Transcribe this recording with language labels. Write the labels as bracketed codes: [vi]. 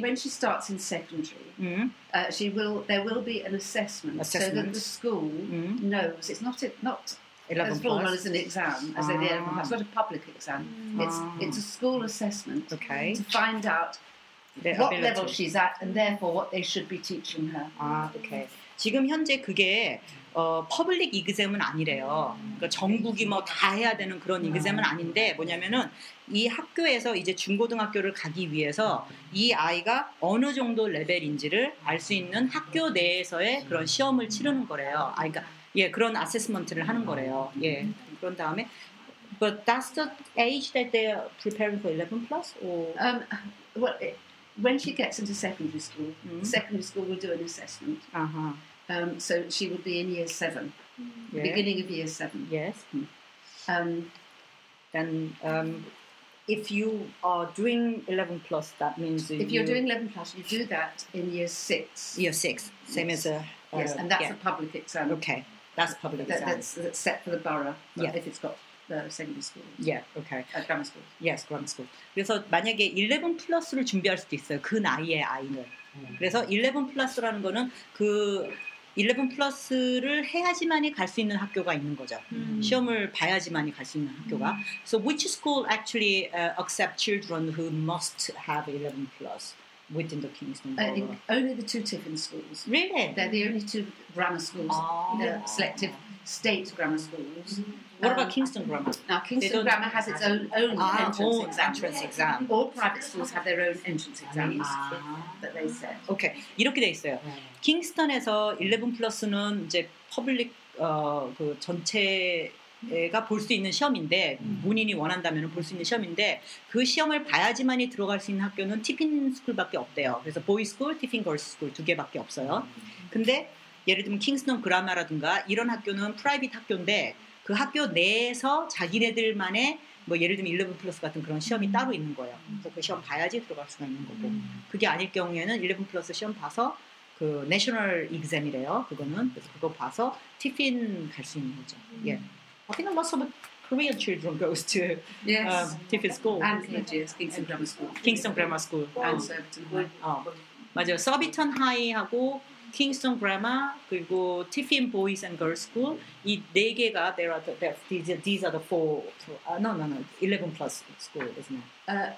[en] When she starts in secondary, there will be an assessment. So that the school knows. It's not as formal as an exam, as the 11 plus. It's not a public exam. It's a school assessment to find out what level she's at and therefore what they should be teaching her. Ah, okay. [ko] 지금 현재 그게 퍼블릭 이그잼은 아니래요. 그러니까 전국이 뭐 다 해야 되는 그런 이그잼은 아닌데 뭐냐면은 이 학교에서 이제 중고등학교를 가기 위해서 이 아이가 어느 정도 레벨인지를 알 수 있는 학교 내에서의 그런 시험을 치르는 거래요. 아이가 예 그런 아세스먼트를 하는 거래요. 예 그런 다음에 [en] but that's the age that they're preparing for 11 plus or well when she gets into secondary school, secondary school will do an assessment. Uh-huh. So she will be in year 7, beginning of year 7. Yes. Then if you are doing 11 plus, that means... If you're doing 11 plus, you do that in year 6. Year 6, same as a... Yes, and that's a public exam. Okay, that's a public exam. That's set for the borough, if it's got... The secondary school. Yeah, okay. Grammar school. Yes, grammar school. [ko] 그래서 만약에 11 플러스를 준비할 수도 있어요. 그 나이의 아이는. 그래서 11 플러스라는 거는 그 11 플러스를 해야지만이 갈 수 있는 학교가 있는 거죠. 시험을 봐야지만이 갈 수 있는 학교가. [en] So which school actually accept children who must have 11 plus within the Kingston borough? Only the two Tiffin schools. Really? They're the only two grammar schools. The selective state grammar schools. What about Kingston Grammar? Now, Kingston Grammar has its own entrance exam. All private schools have their own entrance exams, that they said. [ko] Okay, 이렇게 돼 있어요. 킹스턴에서 11 플러스는 이제 퍼블릭 그 전체가 볼 수 있는 시험인데 본인이 원한다면 볼 수 있는 시험인데 그 시험을 봐야지만이 들어갈 수 있는 학교는 티핀 스쿨밖에 없대요. 그래서 보이 스쿨, 티핀 걸스 스쿨 두 개밖에 없어요. 근데 예를 들면 킹스턴 그라마라든가 이런 학교는 프라이빗 학교인데 그 학교 내에서 자기네들만의 뭐 예를 들면 11 플러스 같은 그런 시험이 따로 있는 거예요. 그래서 그 시험 봐야지 들어갈 수가 있는 거고 그게 아닐 경우에는 11 플러스 시험 봐서 그 내셔널 이그잼이래요. 그거는 그래서 그거 봐서 티핀 갈 수 있는 거죠. 예. [en] I think most of the Korean children goes to Tiffin School. And Kingston Grammar School. Kingston Grammar School. And Surbiton High. [ko] 맞아요. Surbiton High하고 Kingston Grammar, 그리고 Tiffin Boys and Girls School. 이 네 개가, [en] these are the four, no, 11 plus school, isn't it?